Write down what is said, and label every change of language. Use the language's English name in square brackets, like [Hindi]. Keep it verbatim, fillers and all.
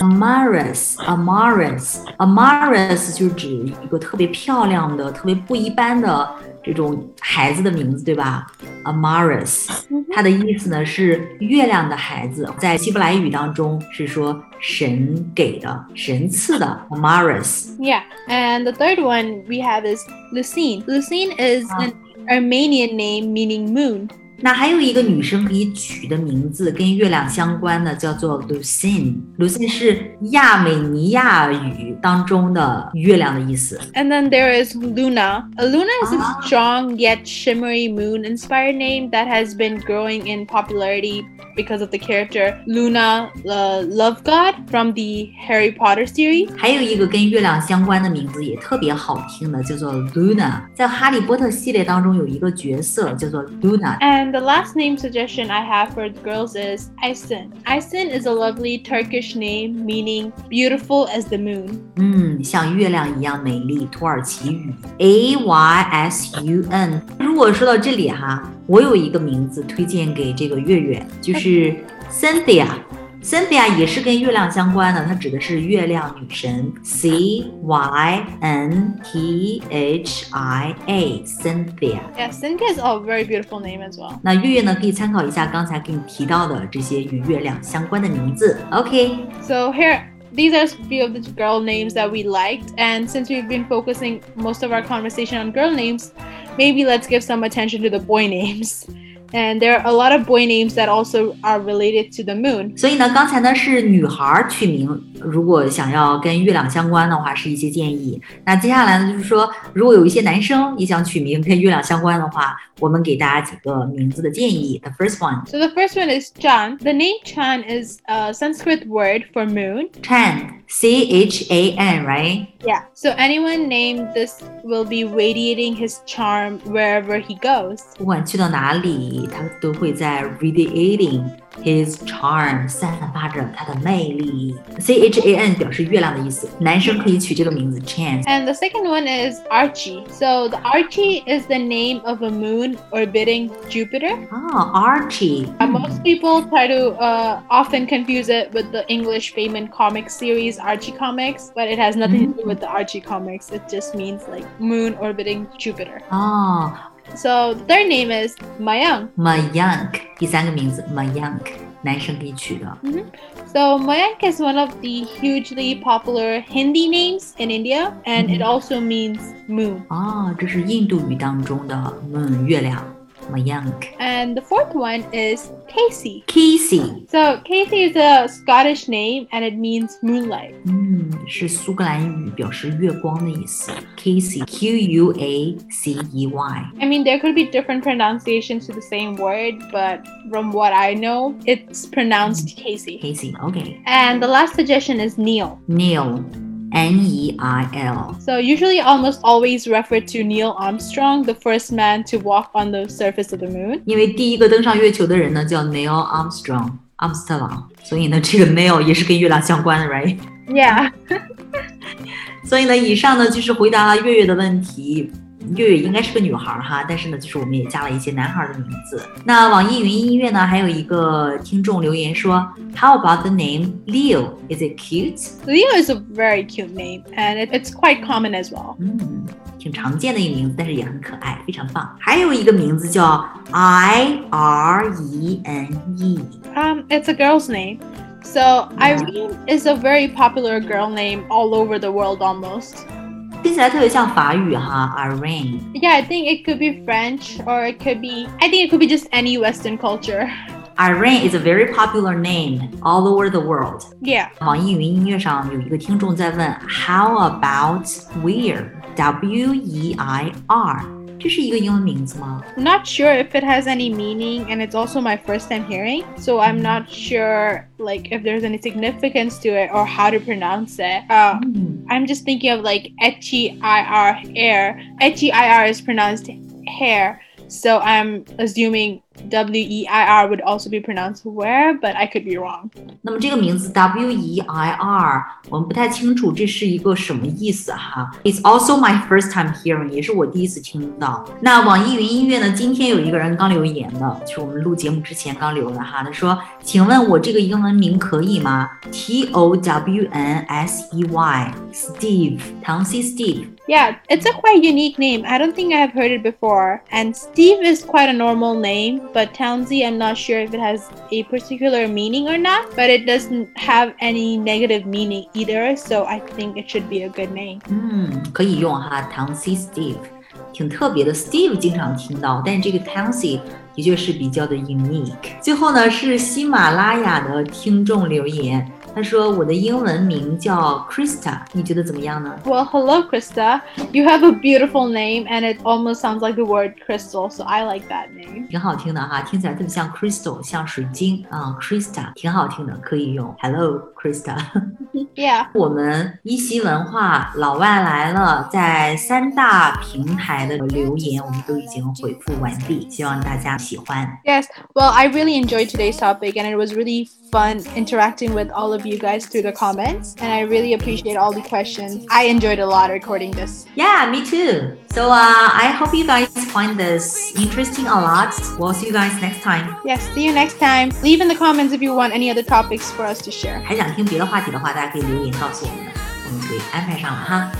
[Chinese] Amaris Amaris Amaris 就是指一个特别漂亮漂亮的特别不一般的这种孩子的名字，对吧？ Amaris 它的意思呢是月亮的孩子，在希伯来语当中是说神给的神赐的 Amaris。 [English] Yeah, and the third one we have is Lucine. Lucine is an Armenian name meaning moon. [Chinese] 那还有一个女生可以取的名字跟月亮相关的叫做 Lucine。 Lucine 是亚美尼亚语当中的月亮的意思。 [English] And then there is Luna. A Luna is a strong yet shimmery moon inspired name that has been growing in popularity because of the character Luna, the love god from the Harry Potter series. [Chinese] 还有一个跟月亮相关的名字也特别好听的叫做 Luna。在哈利波特系列当中有一个角色叫做 Luna。 [English] And And the last name suggestion I have for girls is Aysen. Aysen is a lovely Turkish name meaning beautiful as the moon. [Chinese] 嗯，像月亮一样美丽，土耳其语 A Y S U N。如果说到这里哈，我有一个名字推荐给这个月月，就是 Cynthia。 Cynthia 也是跟月亮相关的，它指的是月亮女神 C Y N T H I A。 [English] Cynthia Yeah, Cynthia is a very beautiful name as well. [Chinese] 那月月呢可以参考一下刚才给你提到的这些与月亮相关的名字。 [English] OK, so here these are a few of the girl names that we liked, and since we've been focusing most of our conversation on girl names, maybe let's give some attention to the boy names. And there are a lot of boy names that also are related to the moon. [Chinese] 所以呢，刚才呢是女孩取名，如果想要跟月亮相关的话是一些建议。那接下来呢就是说，如果有一些男生也想取名跟月亮相关的话，我们给大家几个名字的建议。 [English] The first one. So the first one is Chan. The name Chan is a Sanskrit word for moon. Chan. C H A N, right? Yeah. So anyone named this will be radiating his charm wherever he goes. [Chinese] 不管去到哪里，他都会在 [English] radiating his charm, [Chinese] 散发着他的魅力。 C H A N 表示月亮的意思，男生可以取这个名字 Chan. [English] And the second one is Archie. So the Archie is the name of a moon orbiting Jupiter. Oh, Archie. And most people try to uh, often confuse it with the English famous comic series Archie Comics, but it has nothing mm. to do with the Archie Comics. It just means like moon orbiting Jupiter. Oh. So the third name is Mayank. Mayank. [Chinese] 第三个名字 Mayank, 男生必取的。 Mm-hmm. [English] So Mayank is one of the hugely popular Hindi names in India, and mm. it also means moon. [Chinese] 哦，这是印度语当中的 moon 月亮。 [English] Mayank. And the fourth one is Casey. Casey. So Casey is a Scottish name and it means moonlight. 嗯， [Chinese] 是苏格兰语，表示月光的意思。 [English] Qacey, Q U A C E Y. I mean, there could be different pronunciations to the same word, but from what I know, it's pronounced Qacey. Qacey, okay. And the last suggestion is Neil. Neil. N E I L. So usually almost always referred to Neil Armstrong, the first man to walk on the surface of the moon. [Chinese] 因为第一个登上月球的人呢叫 Neil Armstrong, 阿姆斯特朗，所以呢这个 Neil 也是跟月亮相关的 ， [English] right? Yeah. [Chinese] 所以呢，以上呢就是回答了月月的问题。月月应该是个女孩哈，但是呢，就是我们也加了一些男孩的名字。那网易云音乐呢，还有一个听众留言说 ， [English] How about the name Leo? Is it cute? Leo is a very cute name, and it's quite common as well. [Chinese] 嗯，挺常见的一个名字，但是也很可爱，非常棒。还有一个名字叫 I R E N E. [English] Um, it's a girl's name. So Irene is a very popular girl name all over the world almost. [Chinese] 听起来特别像法语哈 Irene. [English] Yeah, I think it could be French or it could be, I think it could be just any Western culture. Irene is a very popular name all over the world. Yeah. [Chinese] 网易云音乐上有一个听众在问 [English] How about weir? [Chinese] W E I R. 这是一个英文名字吗 [English] I'm not sure if it has any meaning, and it's also my first time hearing, so I'm not sure like if there's any significance to it or how to pronounce it. Uh, mm. I'm just thinking of like H E I R, air. H E I R is pronounced hair, so I'm assuming W E I R would also be pronounced where, but I could be wrong. [Chinese] 那么这个名字 W E I R 我们不太清楚这是一个什么意思哈。 [English] It's also my first time hearing [Chinese] 也是我第一次听到。那网易云音乐呢今天有一个人刚留言的就是我们录节目之前刚留的哈他说请问我这个英文名可以吗 ?T O W N S E Y Steve 唐西 Steve [English] Yeah, it's a quite unique name. I don't think I've heard it before. And Steve is quite a normal name. But Townsie, I'm not sure if it has a particular meaning or not, but it doesn't have any negative meaning either, so I think it should be a good name. [Chinese] 嗯，可以用哈 Townsie Steve 挺特别的 Steve 经常听到但这个 Townsie 的确是比较的 unique 最后呢是喜马拉雅的听众留言他说我的英文名叫 Krista 你觉得怎么样呢 [English] Well, hello Krista You have a beautiful name And it almost sounds like the word crystal So I like that name [Chinese] 挺好听的哈听起来特别像 crystal 像水晶、嗯、Krista 挺好听的可以用 [English] Hello Krista Yeah [Chinese] 我们一席文化老外来了在三大平台的留言我们都已经回复完毕希望大家喜欢 [English] Yes Well, I really enjoyed today's topic And it was really fun interacting with all of you guys through the comments and I really appreciate all the questions I enjoyed a lot recording this yeah me too so uh I hope you guys find this interesting a lot we'll see you guys next time yes see you next time leave in the comments if you want any other topics for us to share [Chinese] 还想听别的话题的话大家可以留言告诉我们我们可以安排上了哈